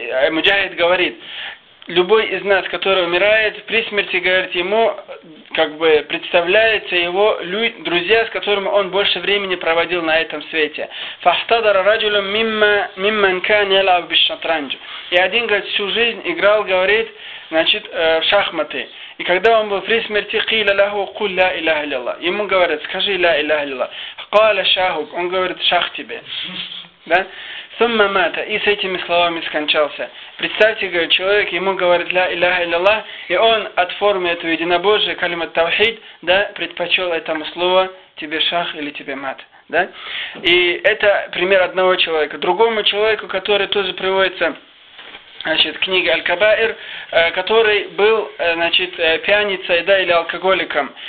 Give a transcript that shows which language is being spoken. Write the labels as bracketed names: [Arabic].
[Russian] Муджахид говорит: «Любой из нас, который умирает, при смерти, говорит, ему как бы представляются его друзья, с которыми он больше времени проводил на этом свете». [Arabic] Фахтадара раджулу мимман кан ялав биш-шатранджу. [Russian] И один, говорит, всю жизнь играл, говорит, значит, в шахматы. И когда он был при смерти, [Arabic] قيل له قل لا إله إلا الله. [Russian] Ему говорят: скажи [Arabic] لا إله إلا الله. قال شاهوك. [Russian] Он говорит: шах тебе. Да? [Arabic] Сумма мата, [Russian] и с этими словами скончался. Представьте, говорит, человек, ему говорит [Arabic] ля илляха илляллах, [Russian] и он от формы этого единобожия, калимат тавхид, да, предпочел этому слову: тебе шах или тебе мат. Да? И это пример одного человека. Другому человеку, который тоже приводится, значит, книга Аль-Кабаир, который был, значит, пьяницей, да, или алкоголиком.